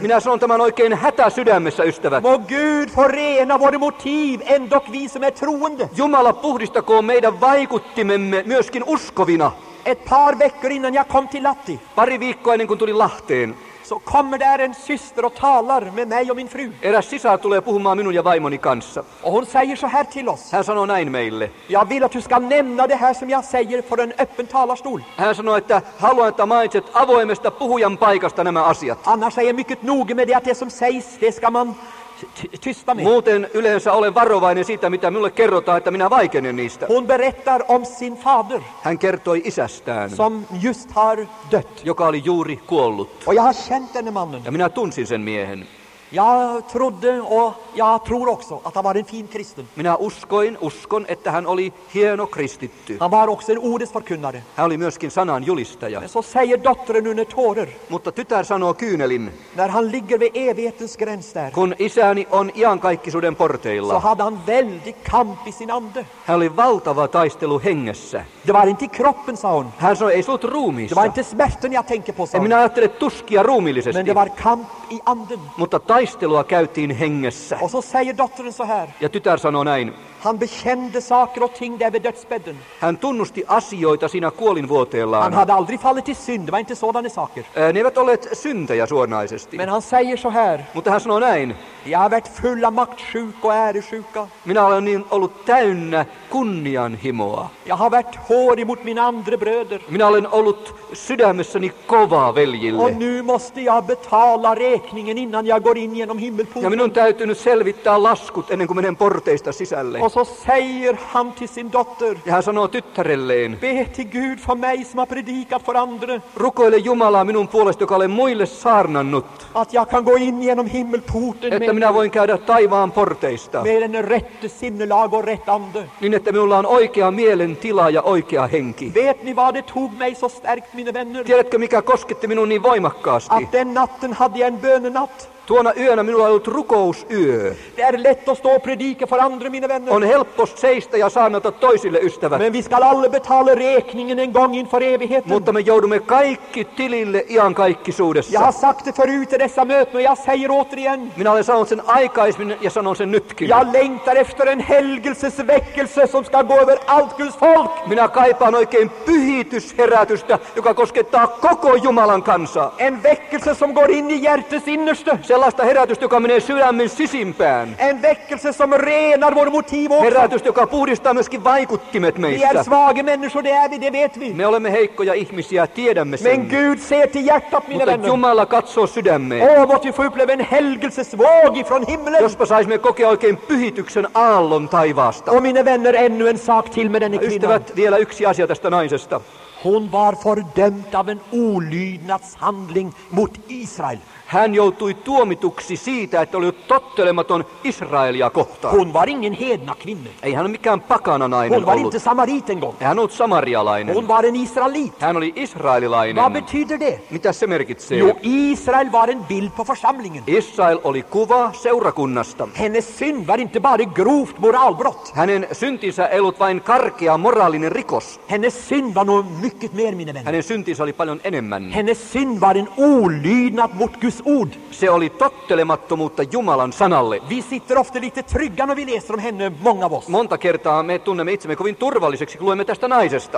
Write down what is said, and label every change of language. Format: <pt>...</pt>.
<fi>Minä sanon tämän oikein hätä sydämessä, ystävät.</fi> <sv>Må Gud få rena vår motiv, ändock vi som är troende.</sv> <fi>Jumala puhdistakoon meidän vaikuttimemme myöskin uskovina.</fi> <sv>Ett par veckor innan jag kom till Lahti.</sv> <fi>Pari viikkoa ennen kuin tulin Lahteen.</fi> <sv>Så kommer där en syster och talar med mig och min fru.</sv> <fi>Eräs sisar tulee puhumaan minun ja vaimoni kanssa.</fi> <sv>Och hon säger så här till oss.</sv> <fi>Hän sanoo näin meille.</fi> <sv>Jag vill att du ska nämna det här som jag säger för en öppen talarstol.</sv> <fi>Hän sanoo, että haluan, että mainitset avoimesta puhujan paikasta nämä asiat.</fi> <sv>Annars är jag mycket noga med det som sägs, det ska man tysta med.</sv> <fi>Muuten yleensä olen varovainen siitä, mitä minulle kerrotaan, että minä vaikenen niistä.</fi> <sv>Hon berättar om sin fader.</sv> <fi>Hän kertoi isästään.</fi> <sv>Som just har dött.</sv> <fi>Joka oli juuri kuollut.</fi> <sv>Och jag har känt den mannen.</sv> <fi>Ja minä tunsin sen miehen.</fi> <sv>Jag trodde och jag tror också att han var en fin kristen.</sv> <fi>Minä uskon, että hän oli hieno kristitty.</fi> <sv>Han var också en ordets förkunnare.</sv> <fi>Hän oli myöskin sanan julistaja.</fi> <sv>Så säger dottern under tårer.</sv> <fi>Mutta tytär sanoo kyynelin.</fi> <sv>När han ligger vid evighetens gräns där.</sv> <fi>Kun isäni on iankaikkisuuden porteilla.</fi> <sv>Så hade han väldig kamp i sin ande.</sv> <fi>Hän oli valtava taistelu hengessä.</fi> <sv>Det var inte kroppen, sa hon.</sv> <fi>Hän sanoi, ei se ollut ruumiissa.</fi> <sv>Det var inte smärten jag tänker på, sa hon.</sv> <fi>En minä ajattele tuskia ruumillisesti.</fi> <sv>Men det var kamp i anden.</sv> <fi>Mutta taistelua käytiin hengessä.</fi> <sv>Och så säger dottern så här.</sv> <fi>Ja tytär sanoo näin.</fi> <sv>Han bekände saker och ting där vid dödsbädden.</sv> <fi>Hän tunnusti asioita siinä kuolinvuoteellaan.</fi> <sv>Han hade aldrig fallit i synd, det var inte sådana saker.</sv> <fi>Ne eivät olleet syntejä suoranaisesti.</fi> <sv>Men han säger så här.</sv> <fi>Mutta hän sanoo näin.</fi> <sv>Jag har varit full av maktsjuk och äresjuka.</sv> <fi>Minä olen niin ollut täynnä kunnianhimoa.</fi> <sv>Jag har varit hård mot mina andra bröder.</sv> <fi>Minä olen ollut sydämessäni kova veljille.</fi> <sv>Och nu måste jag betala räkningen innan jag går in genom himmelporten.</sv> <fi>Ja minun täytyy nyt selvittää laskut ennen kuin menen porteista sisälle.</fi> <sv>Och så säger han till sin dotter.</sv> <fi>Ja hän sanoo tyttärelleen.</fi> <sv>Be till Gud för mig som har predikat för andra.</sv> <fi>Rukoile Jumalaa minun puolesta, joka olen muille saarnannut.</fi> <sv>Att jag kan gå in genom himmelporten.</sv> <fi>Että minä voin käydä taivaan porteista.</fi> <sv>Meidän on rätte sinnelag och rätt ande.</sv> <fi>Niin, että minulla on oikea mielen tila ja oikea henki.</fi> <sv>Vet ni vad det tog mig så starkt, mina vänner?</sv> <fi>Tiedätkö, mikä kosketti minun niin voimakkaasti?</fi> <sv>Att den natten hade jag en bönenatt.</sv> <fi>Tuona yönä minulla on ollut rukousyö.</fi> <sv>Det är lätt att stå och predika för andra, mina vänner.</sv> <fi>On helppo seistä ja saarnata toisille, ystävät.</fi> <sv>Men vi ska alla betala räkningen en gång inför evigheten.</sv> <fi>Mutta me joudumme kaikki tilille iankaikkisuudessa.</fi> <sv>Jag har sagt det förut i dessa möten och jag säger återigen.</sv> <fi>Minä olen sanonut sen aikaismin ja sanon sen nytkin.</fi> <sv>Jag längtar efter en helgelsesväckelse som ska gå över allt Guds folk.</sv> <fi>Minä kaipaan oikein pyhitysherätystä, joka koskettaa koko Jumalan kansaa.</fi> <sv>En väckelse som går in i hjärtes innerstö.</sv> <fi>Sellaista herätystä, joka menee sydämen sisimpään.</fi> <sv>En väckelse som renar vår motiv också.</sv> <fi>Herätystä, joka puhdistaa myöskin vaikuttimet meissä.</fi> <sv>Vi är svaga människor, det är vi, det vet vi.</sv> <fi>Me olemme heikkoja ihmisiä, tiedämme sen.</fi> <sv>Men Gud ser till hjärtat, mina vänner.</sv> <fi>Mutta Jumala katsoo sydämeen.</fi> <sv>Åh, vad vi får uppleva en helgelsesvåg ifrån himmelen.</sv> <fi>Jospa saisimme kokea oikein pyhityksen aallon taivaasta.</fi> <sv>Och mina vänner, ännu en sak till med denne kvinnan.</sv> <fi>Ystävät, vielä yksi asia tästä naisesta.</fi> <sv>Hon var fördömt av en olydnadshandling mot Israel.</sv> <fi>Hän joutui tuomituksi siitä, että oli tottelematon Israelia kohtaan.</fi> <sv>Hon var ingen hedna kvinne.</sv> <fi>Ei hän ole mikään pakana nainen ollut.</fi> <sv>Hon var inte samarit en gång.</sv> <fi>Ei hän ollut samarialainen.</fi> <sv>Hon var en israelit.</sv> <fi>Hän oli israelilainen.</fi> <sv>Vad betyder det?</sv> <fi>Mitä se merkitsee?</fi> <sv>Jo, Israel var en bild på församlingen.</sv> <fi>Israel oli kuva seurakunnasta.</fi> <sv>Hennes synd var inte bara grovt moralbrott.</sv> <fi>Hänen syntinsä ei ollut vain karkea moraalinen rikos.</fi> <sv>Hennes synd var nog mycket mer, mina vänner.</sv> <fi>Hänen syntinsä oli paljon enemmän.</fi> <sv>Hennes synd var en olydnad mot Gud.</sv> <fi>Se oli tottelemattomuutta Jumalan sanalle.</fi> <sv>Vi sitter ofta lite trygga när vi läser om henne, många av oss.</sv> <fi>Monta kertaa me tunnemme itsemme kovin turvalliseksi, kun luemme tästä naisesta.</fi>